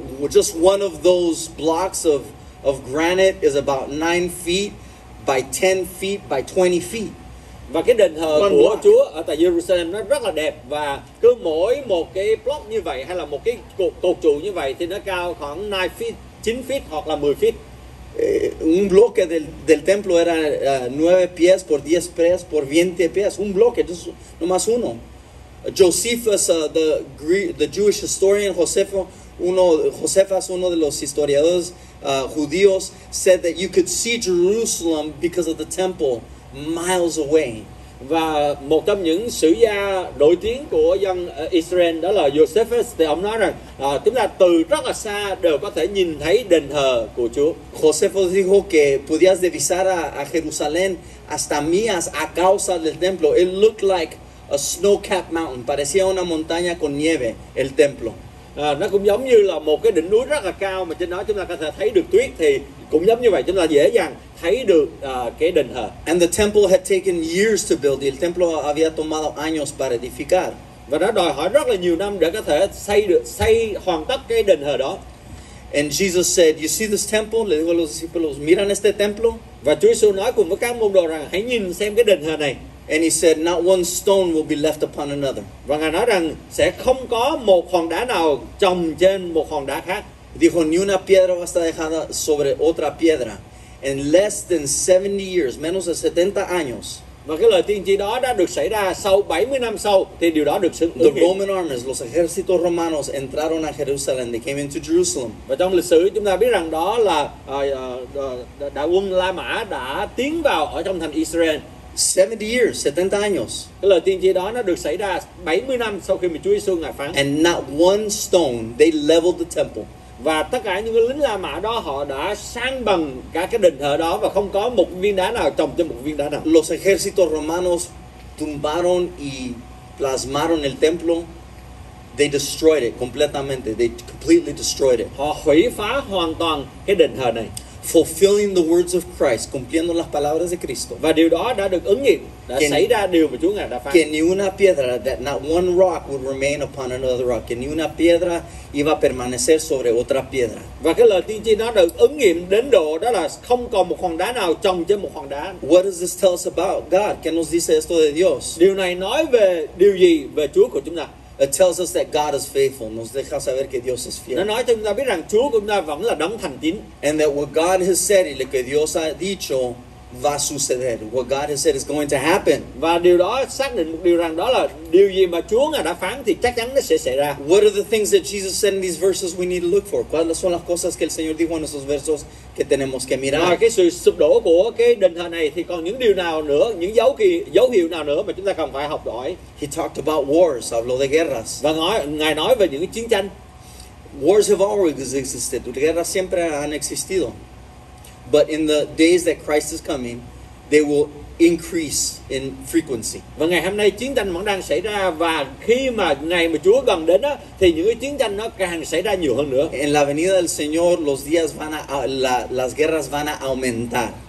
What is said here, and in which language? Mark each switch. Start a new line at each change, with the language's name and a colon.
English: Just one of those blocks of granite is about 9 feet by 10 feet by 20 feet.
Vietnamese: Và cái đền thờ one của block. Chúa ở tại Jerusalem nó rất là đẹp và cứ mỗi một cái block như vậy hay là một cái cột trụ như vậy thì nó cao khoảng 9 feet, 9 feet hoặc là 10 feet.
Spanish: Un bloque del templo era 9 pies por 10 pies por 20 pies, un bloque, just nomás uno.
English: Josephus, the Jewish historian, Josephus,
Spanish: uno de los historiadores judíos,
English: said that you could see Jerusalem because of the temple miles away.
Vietnamese: Và một trong những sử gia nổi tiếng của dân Israel đó là Josephus, thì ông nói rằng chúng ta từ rất là xa đều có thể nhìn thấy đền thờ của Chúa.
Spanish: Josephus dijo que podías divisar a Jerusalén hasta millas a causa del templo.
English: It looked like a snow-capped mountain,
Spanish: parecía una montaña con nieve, el templo.
Vietnamese: Nó cũng giống như là một cái đỉnh núi rất là cao mà trên đó chúng ta có thể thấy được tuyết, thì cũng giống như vậy chúng ta dễ dàng thấy được cái đền thờ.
English: And the temple had taken years to build.
Spanish: El templo había tomado años para edificar.
Vietnamese: Và nó đòi hỏi rất là nhiều năm để có thể xây hoàn tất cái đền thờ đó.
English: And Jesus said, "You see this temple?"
Spanish: Le dijo a los discípulos, "Miran este templo."
Vietnamese: Và Chúa Jesus nói cùng với các môn đồ rằng, hãy nhìn xem cái đền thờ này.
English: And he said, "Not one stone will be left upon another."
Vietnamese: Và Ngài nói rằng sẽ không có một hòn đá nào chồng trên một hòn đá khác.
Spanish: Dijo, "Ni una piedra va a estar dejada sobre otra piedra."
English: In less than 70 years,
Spanish: menos de 70 años.
Vietnamese: Và cái lời tiên tri đó đã được xảy ra sau 70 năm sau thì điều đó được sự ứng nghiệm.
English: The Roman armies,
Spanish: los ejércitos romanos entraron a Jerusalem.
English: They came into Jerusalem.
Vietnamese: Và trong lịch sử chúng ta biết rằng đó là đại quân La Mã đã tiến vào ở trong thành Israel.
English: 70 years,
Spanish: 70 años.
Vietnamese: Cái lời tiên tri đó nó được xảy ra 70 năm sau khi mà Chúa Giêsu ngài phán.
English: And not one stone, they leveled the temple.
Vietnamese: Và tất cả những lính La Mã đó họ đã san bằng cả cái đền thờ đó và không có một viên đá nào chồng trên một viên đá nào.
Spanish: Los ejércitos romanos tumbaron y plasmaron el templo.
English: They destroyed it completamente. They completely destroyed it.
Vietnamese: Họ hủy phá hoàn toàn cái đền thờ này.
English: Fulfilling the words of Christ,
Spanish: cumpliendo las palabras de Cristo.
Vietnamese: Và điều đó đã được ứng nghiệm, đã xảy ra điều mà Chúa ngài đã phán.
Spanish: Que ni una piedra,
English: that not one rock would remain upon another rock.
Spanish: Que ni una piedra iba a permanecer sobre otra piedra.
Vietnamese: Và cái lời tiên tri đó được ứng nghiệm đến độ đó là không còn một hòn đá nào chồng trên một hòn đá.
English: What does this tell us about God?
Spanish: ¿Qué nos dice esto de Dios?
Vietnamese: Điều này nói về điều gì về Chúa của chúng ta?
English: It tells us that God is faithful.
Spanish: Nos deja saber que Dios es fiel.
Vietnamese: Nó nói cho chúng ta biết rằng Chúa của chúng ta vẫn là đấng thành tín.
English: And that what God has said,
Spanish: lo que Dios ha dicho, va a suceder.
English: What God has said is going to happen.
Vietnamese: Và điều đó xác định một điều rằng đó là điều gì mà Chúa ngài đã phán thì chắc chắn nó sẽ xảy ra.
English: What are the things that Jesus said in these verses we need to look for?
Spanish: ¿Cuáles son las cosas que el Señor dijo en esos versos que tenemos que mirar?
Vietnamese: Cái sự sụp đổ của cái đền thờ này thì còn những điều nào nữa, những dấu hiệu nào nữa mà chúng ta cần phải học hỏi?
English: He talked about wars,
Spanish: habló de guerras.
Vietnamese: Và ngài nói về những chiến tranh.
English: Wars have always existed.
Spanish: Guerras siempre han existido.
English: But in the days that Christ is coming, they will increase in frequency.
Vietnamese: Và ngày hôm nay chiến tranh vẫn đang xảy ra và khi mà ngày mà Chúa gần đến á thì những cái chiến tranh nó càng xảy ra nhiều hơn nữa.
Spanish: En la venida del Señor los días van a las guerras van a aumentar.